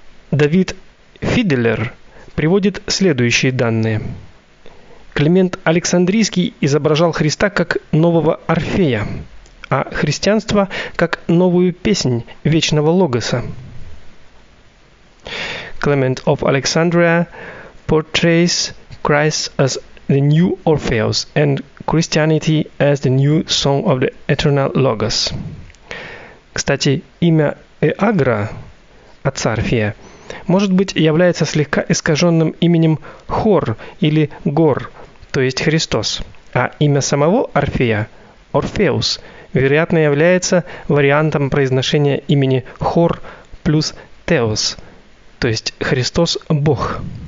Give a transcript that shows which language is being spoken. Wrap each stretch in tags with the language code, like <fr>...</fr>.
<ru>Давид Фиделер приводит следующие данные. Климент Александрийский изображал Христа как нового Орфея, а христианство как новую песнь вечного Логоса.</ru> <en>Clement of Alexandria portrays Christ as the new Orpheus and Christianity as the new song of the eternal Logos.</en> <ru>Кстати, имя Эагра, отца Орфея, может быть, является слегка искаженным именем Хор или Гор, то есть Христос, а имя самого Орфея, Орфеус, вероятно, является вариантом произношения имени Хор плюс Теос, то есть Христос – Бог.</ru>